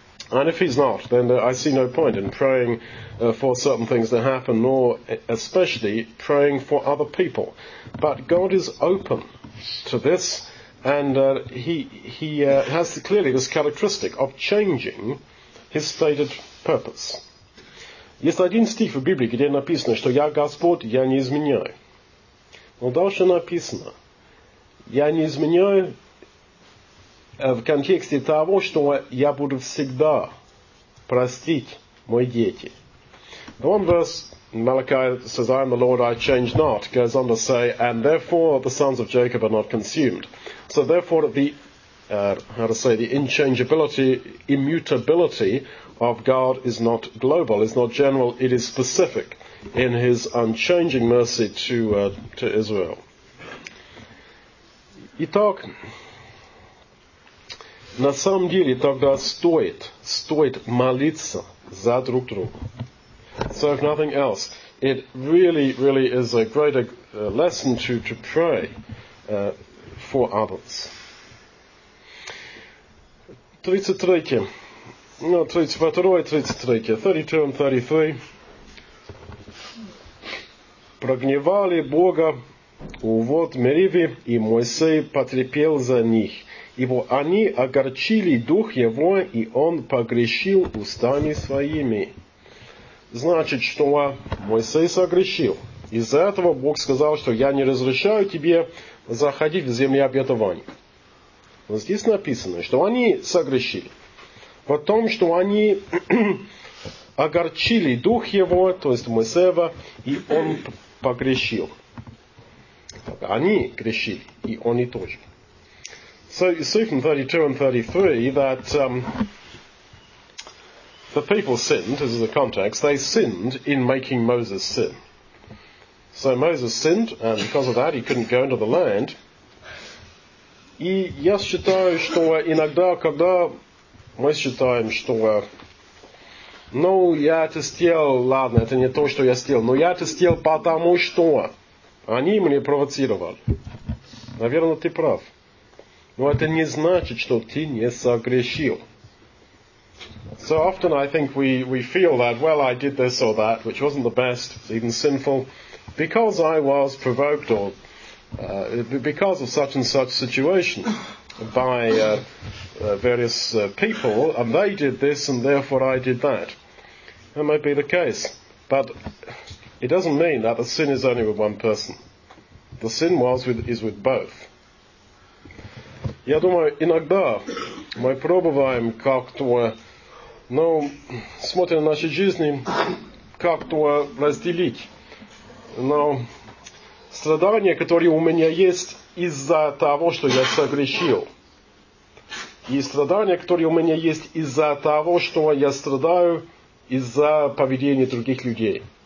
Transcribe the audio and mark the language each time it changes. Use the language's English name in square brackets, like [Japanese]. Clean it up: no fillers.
[English] And if he's not, then I see no point in praying for certain things to happen, nor especially praying for other people. But God is open to this, and he has clearly this characteristic of changing his stated purpose. [Russian] Есть один стих в Библии, где написано, что «Я Господь, я не изменяю». Но дальше написано, «Я не изменяю» в контексте того, что «Я буду всегда простить мои дети». [English] One verse, Malachi says, «I am the Lord, I change not», goes on to say, «And therefore the sons of Jacob are not consumed». So therefore the unchangeability, immutability of God is not global, is not general, it is specific in his unchanging mercy to Israel. [Russian] Итак, на самом деле тогда стоит молиться за друг друга. [English] So if nothing else, it really, really is a greater lesson to pray for others. 33. No, 32 and 33. [Russian] Прогневали Бога увод Мериви, и Моисей потерпел за них, ибо они огорчили дух его, и он погрешил устами своими. Значит, что Моисей согрешил. Из-за этого Бог сказал, что я не разрешаю тебе заходить в землю обетования. Но здесь написано, что они согрешили. В том, что они огорчили дух его, то есть Моисеева, и он погрешил. Они грешили, и они тоже. [English] So you see from 32 and 33 that the people sinned, this is the context, they sinned in making Moses sin. So Moses sinned, and because of that he couldn't go into the land. [Russian] И я считаю, что иногда, когда мы считаем, что, ну, я это сделал, ладно, это не то, что я сделал, но я это сделал потому, что они меня провоцировали. Наверное, ты прав. Но это не значит, что ты не согрешил. [English] So often I think we feel that, well, I did this or that, which wasn't the best, even sinful, because I was provoked or because of such and such situation by various people, and they did this, and therefore I did that. That might be the case, but it doesn't mean that the sin is only with one person. The sin is with both. [Russian] Я думаю, иногда мы пробуем как-то, ну, смотрим на нашу жизнь, как-то разделить. Но страдания, которые у меня есть из-за того, что я согрешил, и страдания, которые у меня есть из-за того, что я страдаю из-за поведения других людей.